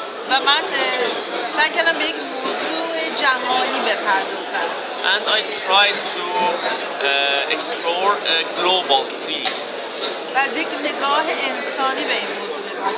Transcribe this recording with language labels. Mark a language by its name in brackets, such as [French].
[Persian] و من سعی کردم به یک موضوع جهانی بپردازم. [English] And I tried to explore a global theme. [Persian] از یک نگاه انسانی به این موضوع نگاه